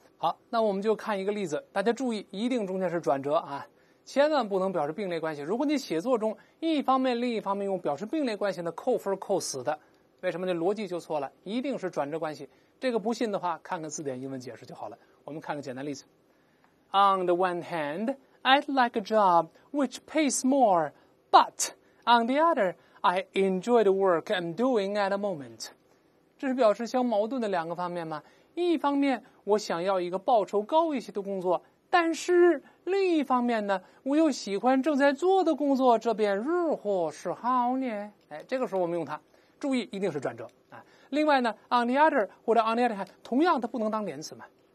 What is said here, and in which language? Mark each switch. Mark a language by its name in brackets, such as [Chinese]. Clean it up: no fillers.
[Chinese] 好，那我们就看一个例子，大家注意一定中间是转折啊，千万不能表示并列关系。如果你写作中一方面另一方面用表示并列关系的，扣分扣死的，为什么？那逻辑就错了，一定是转折关系。这个不信的话看看字典英文解释就好了。我们看个简单例子， [English] On the one hand I'd like a job which pays more， but on the other I enjoy the work I'm doing at the moment。 [Chinese] 这是表示相矛盾的两个方面吗？一方面我想要一个报酬高一些的工作，但是另一方面呢，我又喜欢正在做的工作，这边日货是好呢。哎，这个时候我们用它，注意一定是转折啊。另外呢 ， [English] on the other [Chinese] 或者 [English] on the other hand， [Chinese] 同样它不能当连词嘛。